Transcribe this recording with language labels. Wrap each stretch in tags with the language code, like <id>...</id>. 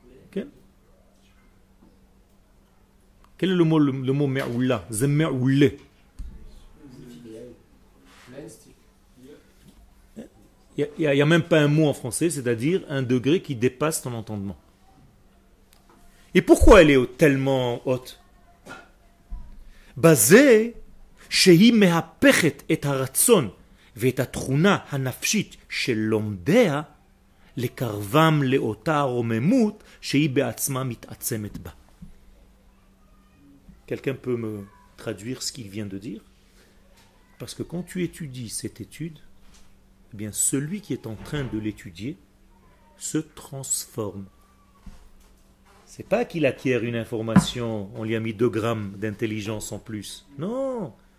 <fr>Quel est le mot me'oulla?</fr> <he>Ze me'oulle.</he> <fr>Il n'y a même pas un mot en français, c'est-à-dire un degré qui dépasse ton entendement. Et pourquoi elle est tellement haute?</fr> <he>Basé, שהיא מהפכת את הרצון ואת התכונה הנפשית של לומדיה לקרבם לאותה הרוממות שהיא בעצמה מתעצמת בה.</he> <fr>Quelqu'un peut me traduire ce qu'il vient de dire? Parce que quand tu étudies cette étude, eh bien celui qui est en train de l'étudier se transforme. C'est pas qu'il acquiert une information, on lui a mis 2 grammes d'intelligence en plus. Non!</fr>